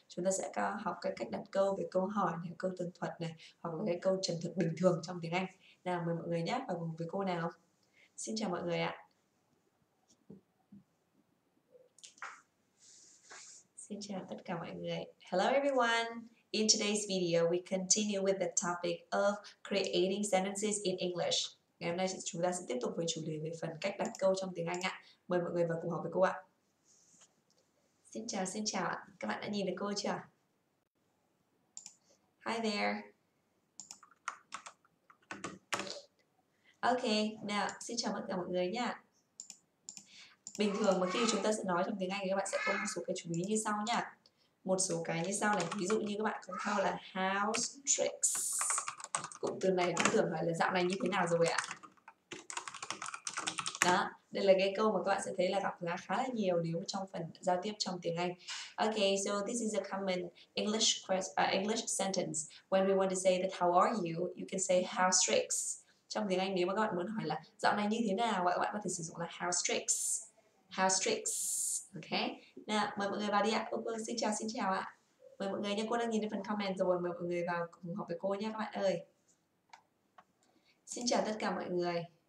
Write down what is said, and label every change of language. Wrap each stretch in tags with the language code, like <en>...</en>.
<vi>Chúng ta sẽ học cái cách đặt câu về câu hỏi này, câu tường thuật này, hoặc là cái câu trần thuật bình thường trong tiếng Anh. Nào mời mọi người nhé và cùng với cô nào. Xin chào mọi người ạ. Xin chào tất cả mọi người.</vi> <en>Hello everyone. In today's video, we continue with the topic of creating sentences in English.</en> <vi>Ngày hôm nay chúng ta sẽ tiếp tục với chủ đề về phần cách đặt câu trong tiếng Anh ạ. Mời mọi người vào cùng học với cô ạ. Xin chào ạ. Các bạn đã nhìn được cô chưa?</vi> <en>Hi there.</en> <vi>Okay, nào, xin chào tất cả mọi người nha. Bình thường mà khi chúng ta sẽ nói trong tiếng Anh thì các bạn sẽ có một số cái chú ý như sau nha. Một số cái như sau này, ví dụ như các bạn có câu là house tricks. Cụm từ này cũng tưởng phải là dạo này như thế nào rồi ạ? Đó, đây là cái câu mà các bạn sẽ thấy là gặp khá là nhiều nếu trong phần giao tiếp trong tiếng Anh.</vi> <en>Okay, so this is a common English English sentence. When we want to say that how are you, you can say house tricks.</en> <vi>Trong tiếng Anh nếu mà các bạn muốn hỏi là dạo này như thế nào, các bạn có thể sử dụng là house tricks. House tricks. Okay. Nào, mời mọi người vào đi ạ. Ô, xin chào ạ. Mời mọi người nha, cô đang nhìn thấy phần comment rồi. Mời mọi người vào cùng học với cô nha các bạn ơi. Xin chào tất cả mọi người.</vi>